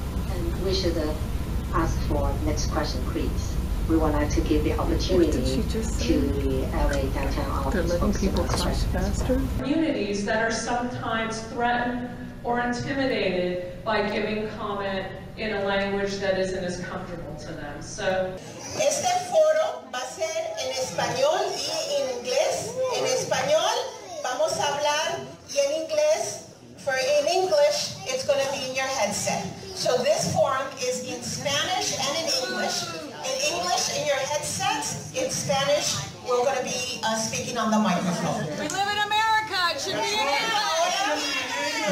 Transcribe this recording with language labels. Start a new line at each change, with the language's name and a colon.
English: And we should ask for next question, please. We would like to give the opportunity to the LA downtown office. They're letting people crash faster. Communities that are sometimes threatened or intimidated by giving comment in a language that isn't as comfortable to them. So,
Spanish: este foro va a ser en español y en inglés. En español vamos a hablar y en inglés.
English: For in English, it's going to be in your headset. So this forum is in Spanish and in English. In English, in your headsets. In Spanish, we're going to be speaking on the microphone. We live in America. It should be in English.